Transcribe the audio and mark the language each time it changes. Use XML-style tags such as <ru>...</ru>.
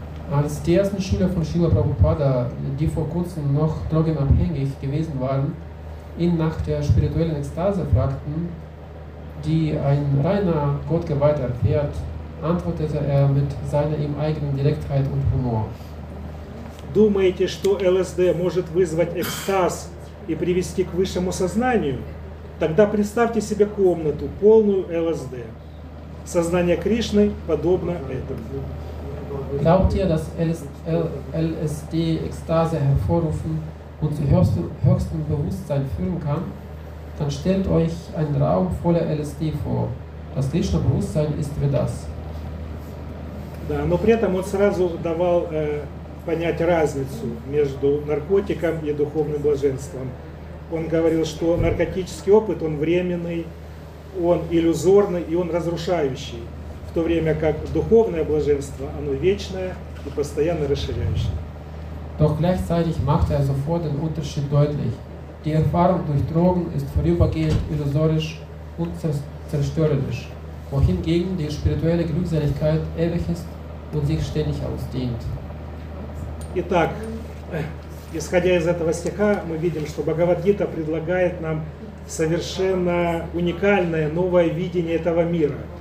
<de>Als die ersten Schüler von Srila Prabhupada, die vor kurzem noch drogenabhängig gewesen waren, ihn nach der spirituellen Ekstase fragten, die ein reiner Gottgeweihter erfährt, antwortete er mit seiner ihm eigenen Direktheit und Humor.</de> <ru>Думаете, что ЛСД может вызвать экстаз и привести к высшему сознанию? Тогда представьте себе комнату, полную ЛСД. Сознание Кришны подобно этому.</ru> <de>Glaubt ihr, dass LSD Ekstase hervorrufen und zu höchstem Bewusstsein führen kann? Dann stellt euch einen Raum voller LSD vor. Das Krishna-Bewusstsein ist wie das.</de> <ru>Да, но при этом он сразу давал понять разницу между наркотиком и духовным блаженством. Он говорил, что наркотический опыт, он временный, он иллюзорный и он разрушающий, в то время как духовное блаженство, оно вечное и постоянно расширяющее.</ru> <de>Doch gleichzeitig macht sofort den Unterschied deutlich. Die Erfahrung durch Drogen ist vorübergehend illusorisch und zerstörerisch, wohingegen die spirituelle Glückseligkeit ewig ist und sich ständig ausdehnt.</de> <ru>Итак, исходя из этого стиха, мы видим, что Бхагавад-гита предлагает нам совершенно уникальное новое видение этого мира.</ru>